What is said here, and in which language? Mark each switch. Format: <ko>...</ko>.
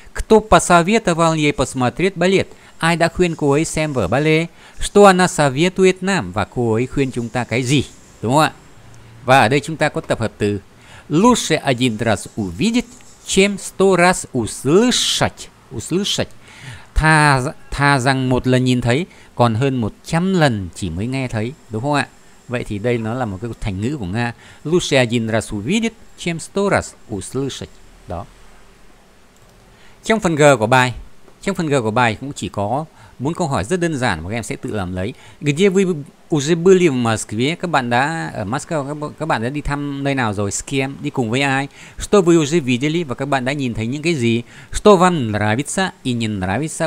<ru>Кто посоветовал ей посмотреть балет?</ru> <vi>Ai đã khuyên cô ấy xem vở ballet?</vi> <ru>Что она советует нам?</ru> <vi>Và cô ấy khuyên chúng ta cái gì? Đúng không ạ? Và ở đây chúng ta có tập hợp từ</vi> <ru>лучше один раз увидеть, чем сто раз услышать.</ru> <vi>Thà rằng một lần nhìn thấy còn hơn 100 lần chỉ mới nghe thấy, đúng không ạ? Vậy thì đây nó là một cái thành ngữ của Nga,</vi> <ru>лучше один раз увидеть, чем сто раз услышать.</ru> <vi>Đó. Trong phần G của bài cũng chỉ có bốn câu hỏi rất đơn giản mà các em sẽ tự làm lấy.</vi> <ru>Где вы уже были в Москве?</ru> <vi>Các bạn đã ở Moscow, các bạn đã đi thăm nơi nào rồi?</vi> <ru>С кем?</ru> <vi>Đi cùng với ai?</vi> <ru>Что вы уже видели?</ru> <vi>Và các bạn đã nhìn thấy những cái gì?</vi> <ru>Что вам нравится и не нравится?</ru>